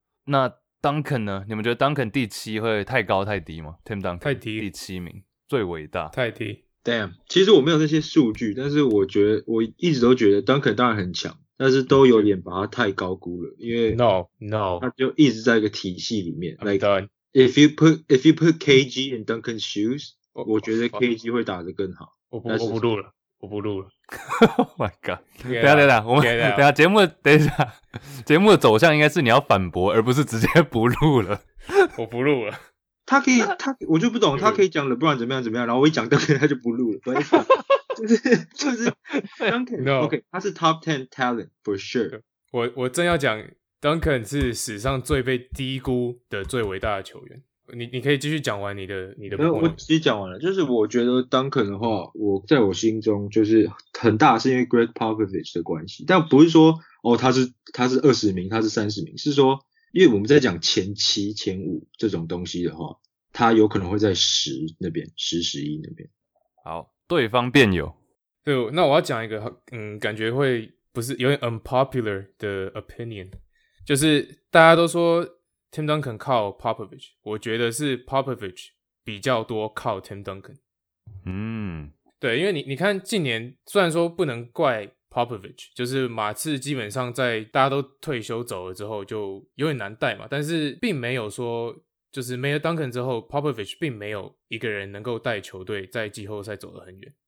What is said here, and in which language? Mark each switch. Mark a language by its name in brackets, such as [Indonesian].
[Chinese] 那 Duncan 呢？你们觉得 Duncan 第七会太高太低吗 ？Tim Duncan 太低，第七名最伟大，太低。 Damn， 其实我没有那些数据，但是我觉得我一直都觉得 Duncan 当然很强。但是都有点把他太高估了，因为 [English] No [Chinese] 他就一直在一个体系里面。 [English] I'm done. If you put KG in Duncan's shoes, [Chinese] 我觉得 KG 会打得更好。我不录了。 [English] Oh my god！ [Chinese] 等一下，我们等一下节目的走向应该是你要反驳，而不是直接不录了。我不录了。他可以，他我就不懂，他可以讲 LeBron 怎么样怎么样，然后我一讲 Duncan 他就不录了。就是 Duncan，、 [English] no. OK， [Chinese] 他是 [English] Top 10 Talent for sure。 [Chinese] 我正要讲 Duncan 是史上最被低估的最伟大的球员。你可以继续讲完你的。没有，我其实讲完了。就是我觉得 Duncan 的话，我在我心中就是很大，是因为 Greg Popovich 的关系。但不是说哦，他是二十名，他是三十名，是说因为我们在讲前七、前五这种东西的话，他有可能会在十那边，十、十一那边。好。对方辩友，对，那我要讲一个，感觉会不是有点 unpopular 的 opinion， 就是大家都说 Tim Duncan 靠 Popovich， 我觉得是 Popovich 比较多靠 Tim Duncan。嗯，对，因为你看近年虽然说不能怪 Popovich， 就是马刺基本上在大家都退休走了之后就有点难带嘛，但是并没有说就是没了 Duncan 之后 Popovich 并没有一个人能够带球队在季后赛走得很远。